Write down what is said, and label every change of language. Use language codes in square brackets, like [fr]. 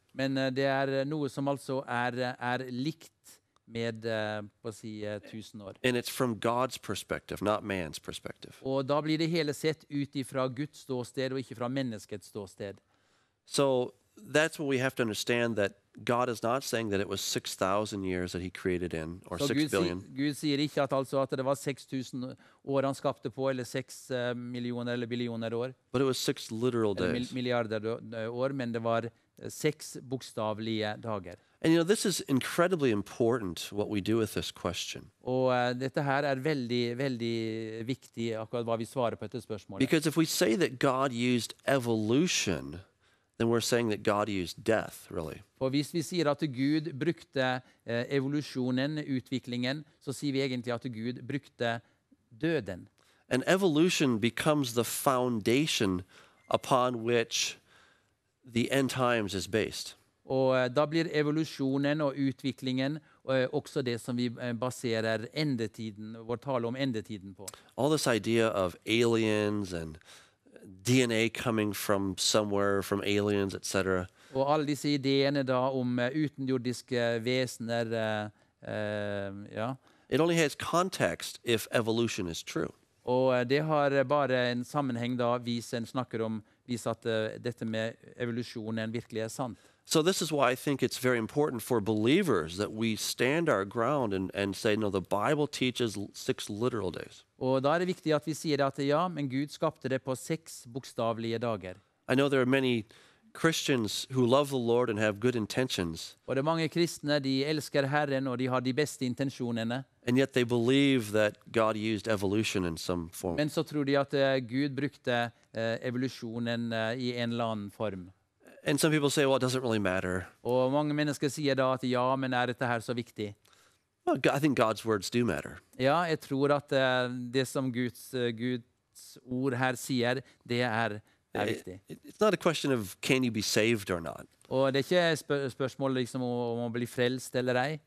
[no] Men det er noe som altså er likt med, på å si, 1,000 år. [en] And it's from God's perspective, not man's perspective. [no] Og da blir det hele sett ut ifra Guds ståsted og ikke fra menneskets ståsted. [en] So that's what we have to understand, that God is not saying that it was 6,000 years that he created in, or [no] så 6 Gud [en] billion. [no] Gud sier ikke at, altså at det var 6,000 år han skapte på, eller 6 millioner eller billioner år. [en] But it was 6 literal days. [no] Milliarder år, men det var 6 bokstavlige dager. [en] And you know, this is incredibly important, what we do with this question. [no] Og dette her er veldig, veldig viktig, akkurat hva vi svarer på dette spørsmålet. [en] Because if we say that God used evolution, then we're saying that God used death, really. [no] For hvis vi sier at Gud brukte evolusjonen, utviklingen, så sier vi egentlig at Gud brukte døden. [en] And evolution becomes the foundation upon which the end times is based. [no] Og da blir evolusjonen og utviklingen også det som vi baserer endetiden, vår tale om endetiden på. [en] All this idea of aliens and DNA coming from somewhere, from aliens, etc. [no] Og alle disse ideene da om utenjordiske vesener, ja. [en] It only has context if evolution is true. [no] Og det har bare en sammenheng da, hvis en snakker om, hvis at dette med evolusjonen virkelig er sant. [en] So this is why I think it's very important for believers that we stand our ground and say, no, the Bible teaches 6 literal days. [no] Og da er det viktig at vi sier at ja, men Gud skapte det på 6 bokstavlige dager. [en] I know there are many Christians who love the Lord and have good intentions. [no] Og det er mange kristne, de elsker Herren og de har de beste intensjonene. [en] And yet they believe that God used evolution in some form. [no] Men så tror de at Gud brukte evolusjonen i en eller annen form. [en] And some people say, well, it doesn't really matter. [no] Og mange mennesker sier da at ja, men er dette her så viktig? [en] Well, I think God's words do matter. [no] Ja, jeg tror at det som Guds ord her sier, det er viktig. [en] It's not a question of can you be saved or not. [no] Og det er ikke spørsmålet liksom om å bli frelst eller ei.